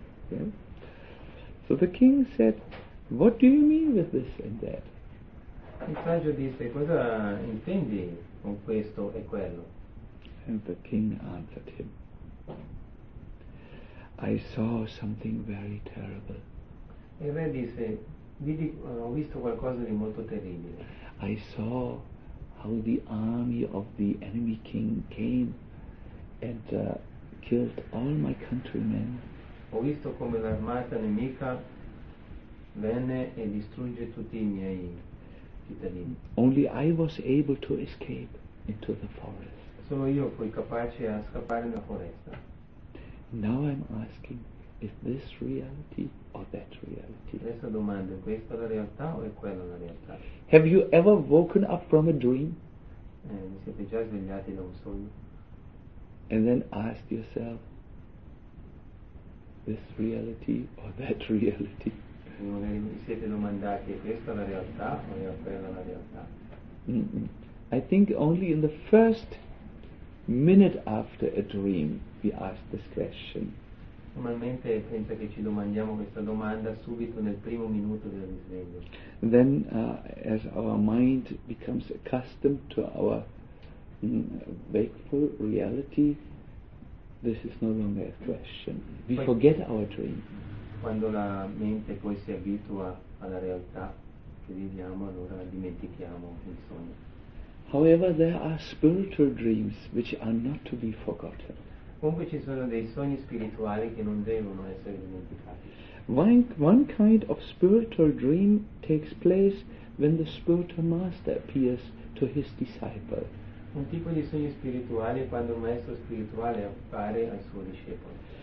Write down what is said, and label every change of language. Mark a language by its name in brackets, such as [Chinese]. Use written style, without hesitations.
[English] Yes. So the king said, what do you mean with this and that? [Italian] Il saggio disse, cosa intendi con questo e quello? [English] And the king answered him, I saw something very terrible. [Italian] Il re disse, vidi, ho visto qualcosa di molto terribile. [English] I saw how the army of the enemy king came and killed all my countrymen. [Italian] Ho visto come l'armata nemica venne e distrugge tutti i miei cittadini. [English] Only I was able to escape into the forest. [Italian] Solo io fui capace a scappare nella foresta. [English] Now I'm asking, is this reality or that reality? [Italian] Questa domanda, questa è la realtà o è quella la realtà? [English] Have you ever woken up from a dream? [Italian] Siete già svegliati da un sogno? [English] And then asked yourself, this reality or that reality? [Italian] Siete domandati, questa è la realtà o è quella la realtà? [English] I think only in the first minute after a dream we ask this question. [Italian] Normalmente penso che ci domandiamo questa domanda subito nel primo minuto del risveglio. [English] Then as our mind becomes accustomed to our wakeful reality, this is no longer a question. We forget our dream. [Italian] Quando la mente poi si abitua alla realtà che viviamo, allora dimentichiamo il sogno. [English] However, there are spiritual dreams which are not to be forgotten. [Italian] Comunque ci sono dei sogni spirituali che non devono essere dimenticati. [English] One kind of spiritual dream takes place when the spiritual master appears to his disciple. [Italian] Un tipo di sogno spirituale è quando un maestro spirituale appare al suo discepolo.